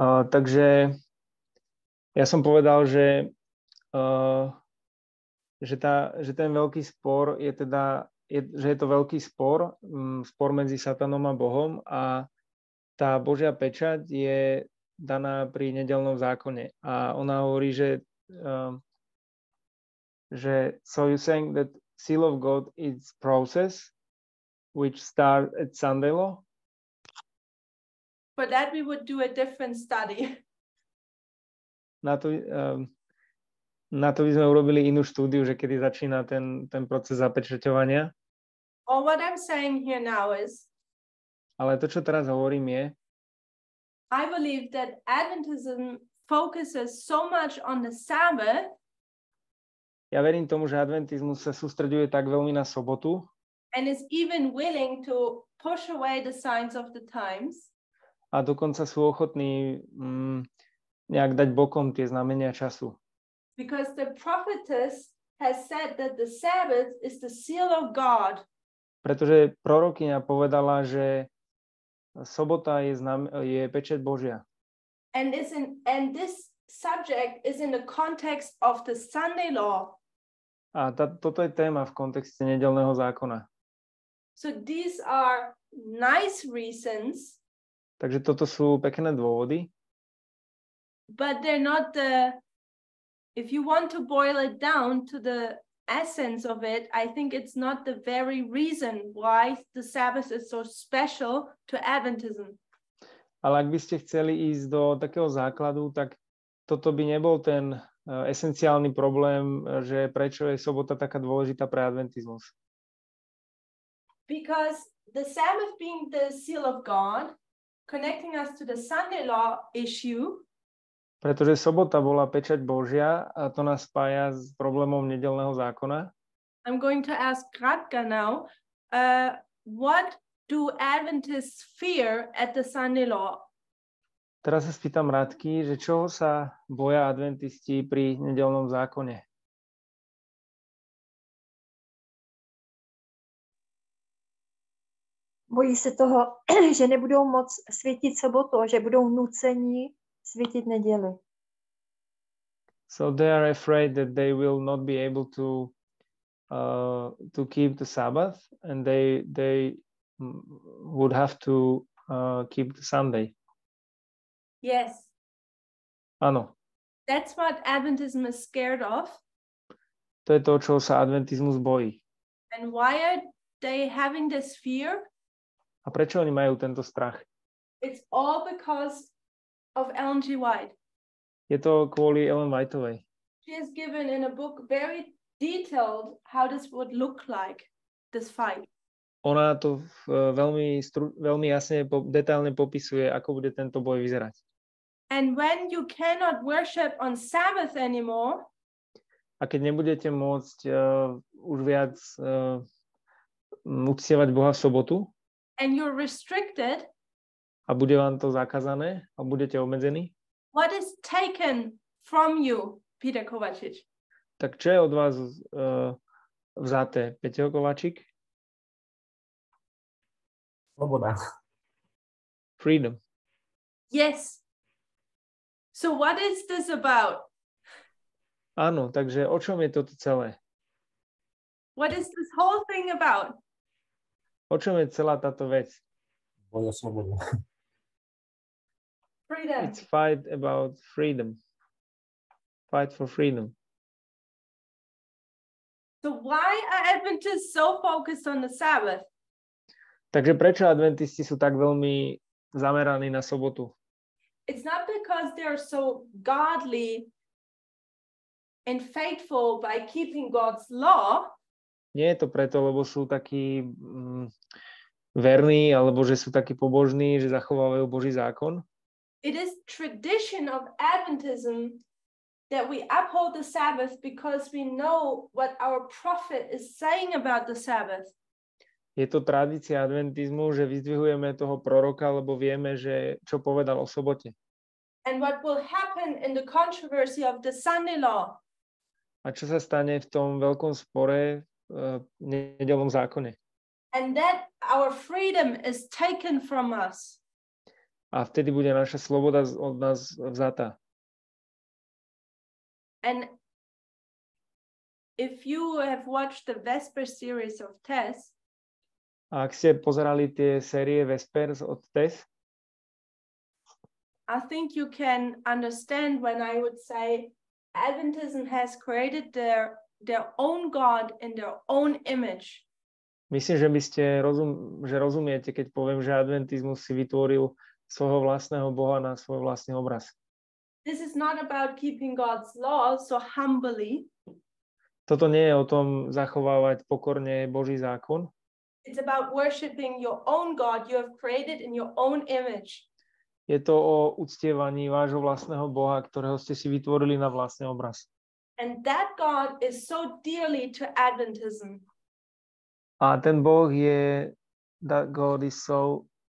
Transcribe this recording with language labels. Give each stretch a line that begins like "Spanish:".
Slovak: Takže ja som povedal, že ten veľký spor je teda, že je to veľký spor, spor medzi Satanom a Bohom, a tá Božia pečať je daná pri nedeľnom zákone. A ona hovorí, že
English: so you're saying that seal of God is process which starts at Sunday law? For that we would do a different study.
Slovak: Na to by sme urobili inú štúdiu, že kedy začína ten proces zapečaťovania.
English: Or what I'm saying here now is,
Slovak: ale to, čo teraz hovorím, je,
English: I believe that Adventism focuses so much on the Sabbath.
Slovak: Ja verím tomu, že adventizmus sa sústreďuje tak veľmi na sobotu.
English: And is even willing to push away the signs of the times.
Slovak: A dokonca sú ochotní nejak dať bokom tie znamenia času.
English: Because the prophetess has said that the Sabbath is the seal of God.
Slovak: Pretože prorokyňa povedala, že sobota je pečať Božia.
English: And this subject is in the context of the Sunday law.
Slovak: A toto je téma v kontexte nedeľného zákona.
English: So these are nice reasons.
Slovak: Takže toto sú pekné dôvody.
English: But they're not the, if you want to boil it down to the essence of it, I think it's not the very reason why the Sabbath is so special to Adventism.
Slovak: Ale ak by ste chceli ísť do takého základu, tak toto by nebol ten esenciálny problém, že prečo je sobota taká dôležitá pre adventizmus.
English: Because the Sabbath being the seal of God, connecting us to the Sunday law issue.
Slovak: Pretože sobota bola pečať Božia a to nás spája s problémom nedeľného zákona.
English: I'm going to ask Radka now, what do Adventists fear at the Sunday law?
Slovak: Teraz sa spýtam Radky, že čoho sa boja adventisti pri nedeľnom zákone? Bojí sa toho, že nebudú môcť svietiť sobotu a že budú nucení svietiť nedeľu.
English: So they are afraid that they will not be able to keep the Sabbath and they would have to keep the Sunday. Yes.
Slovak: Áno.
English: That's what Adventism is scared of.
Slovak: To je to, čo sa adventizmus bojí.
English: And why are they having this fear?
Slovak: A prečo oni majú tento strach?
English: It's all because of Ellen G. White.
Slovak: Je to kvôli Ellen Whiteovej.
English: She has given in a book very detailed how this would look like, this fight.
Slovak: Ona to veľmi jasne, detailne popisuje, ako bude tento boj vyzerať.
English: And when you cannot worship on Sabbath anymore,
Slovak: a keď nebudete môcť už viac uctievať Boha v sobotu,
English: and you're restricted,
Slovak: a bude vám to zakázané a budete obmedzení,
English: what is taken from you, Peter Kovačič?
Slovak: Tak čo je od vás vzaté, Peťo Kovačík? Sloboda.
English: Freedom. Yes. So what is this about?
Slovak: Ano, takže o čom je toto celé?
English: What is this whole thing about?
Slovak: O čom je celá táto vec? Boja sloboda.
English: Freedom. It's fight about freedom. Fight for freedom. So why are Adventists so focused on the Sabbath?
Slovak: Takže prečo Adventisti sú tak veľmi zameraní na sobotu?
English: It's not because they are so godly and faithful by keeping God's law.
Slovak: Nie je to preto, lebo sú takí verní, alebo že sú takí pobožní, že zachovávajú Boží zákon.
English: It is tradition of Adventism that we uphold the Sabbath because we know what our prophet is saying about the Sabbath.
Slovak: Je to tradícia adventizmu, že vyzdvihujeme toho proroka, lebo vieme, že čo povedal o sobote.
English: And what will happen in the controversy of the Sunday law?
Slovak: A čo sa stane v tom veľkom spore v nedeľnom zákone?
English: And that our freedom is taken from us.
Slovak: A vtedy bude naša sloboda od nás vzatá.
English: And if you have watched the Vesper series of tests,
Slovak: a ak ste pozerali tie série Vespers od Tess,
English: I think you can understand when I would say Adventism has created their own God in their own image.
Slovak: Myslím, že by ste rozumiete, keď poviem, že Adventizmus si vytvoril svojho vlastného Boha na svoj vlastný obraz.
English: This is not about keeping God's law so humbly.
Slovak: Toto nie je o tom zachovávať pokorne Boží zákon.
English: It's about worshiping your own God you have created in your own image.
Slovak: Je to o uctievaní vášho vlastného Boha, ktorého ste si vytvorili na vlastný obraz.
English: And that God is so dearly to Adventism.
Slovak: A ten Boh je,
English: that God is so